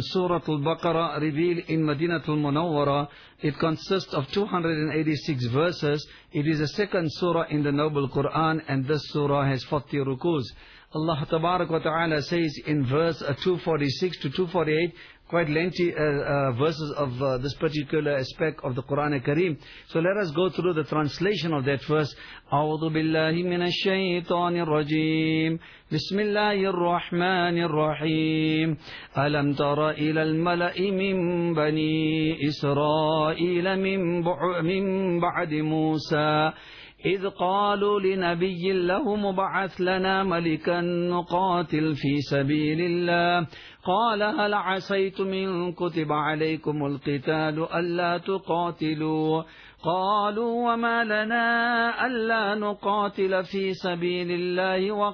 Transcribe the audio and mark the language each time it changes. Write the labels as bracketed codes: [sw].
[en] سورة البقرة revealed in مدينة المنورة. It consists of 286 verses. It is the second surah in the Noble Quran, and this surah has 40 rukus. Allah [ar] تبارك وتعالى [en] says in verse 246 to 248, quite lengthy verses of this particular aspect of the Quran al-Kareem. So let us go through the translation of that verse. [ar] أعوذ بالله من الشيطان الرجيم بسم الله الرحمن الرحيم ألم تر إلى الملأ من بني إسرائيل من بعد موسى إذ قالوا لنبي له مبعث لنا ملكا نقاتل في سبيل الله قال هل عسيتم إن كتب عليكم القتال ألا تقاتلوا قالوا وما لنا ألا نقاتل في سبيل الله